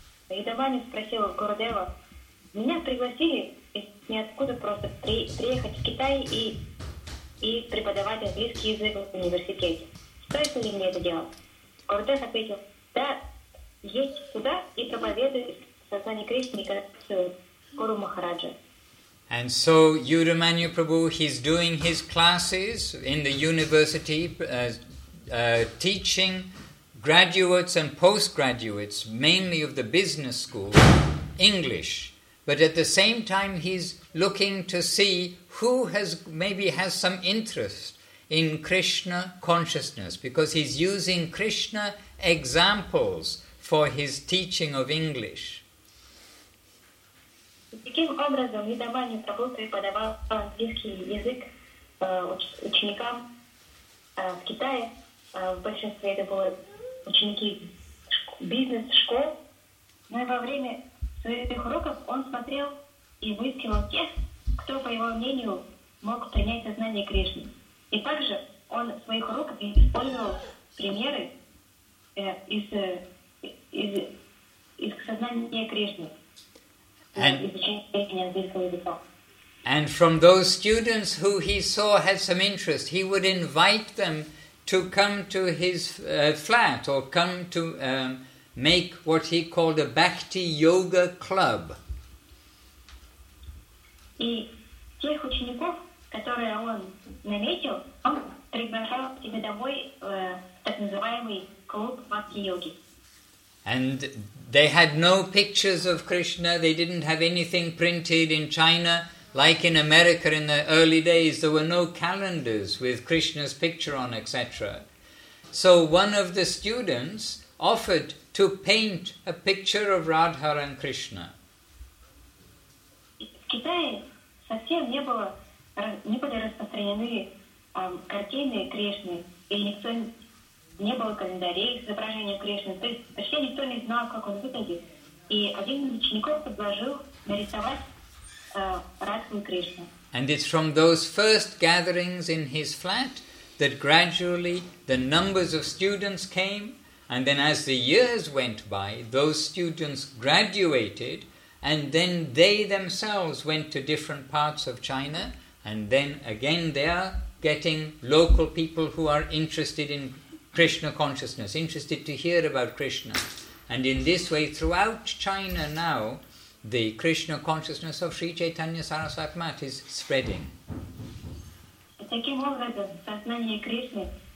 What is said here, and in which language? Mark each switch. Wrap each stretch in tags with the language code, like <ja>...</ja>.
<ru>Юдамани спросил Гурудева, меня пригласили из ниоткуда просто приехать в Китай и преподавать английский язык в университете. Стоит ли мне это делать? Гурудев ответил, да, едь туда и проповедуй сознание Кришны к Гуру Махараджа.</ru> <en>And so Юдамани Прабху, he's doing his classes in the university, teaching graduates and postgraduates, mainly of the business school, English. But at the same time, he's looking to see who has some interest in Krishna consciousness, because he's using Krishna examples for his teaching of English.</en> <ru>Таким образом, Юдамани Прабху преподавал английский язык ученикам в Китае. В большинстве это было ученики бизнес-школ, но и во время своих уроков он смотрел и выискивал тех, кто, по его мнению, мог принять сознание Кришны. И также он в своих уроках использовал примеры из сознания Кришны, из учения английского языка.</ru> <en>And from those students who he saw had some interest, he would invite them to come to his flat or come to make what he called a bhakti yoga club.</en> <ru>И тех учеников, которые он наметил, он приглашал себе домой так называемый клуб бхакти йоги.</ru> <en>And they had no pictures of Krishna, they didn't have anything printed in China. Like in America in the early days, there were no calendars with Krishna's picture on, etc. So one of the students offered to paint a picture of Radha and Krishna.</en> <ru>В Китае совсем не были распространены картины Кришны, и никто не было календарей с изображением Кришны. То есть вообще никто не знал, как он выглядит. И один из учеников предложил нарисовать.</ru> <en>And it's from those first gatherings in his flat that gradually the numbers of students came, and then as the years went by, those students graduated, and then they themselves went to different parts of China, and then again they are getting local people who are interested in Krishna consciousness, interested to hear about Krishna. And in this way, throughout China now, the Krishna consciousness of Sri Chaitanya Saraswati Mat is spreading.</en> <ru>Таким образом, сознание Кришны,</ru>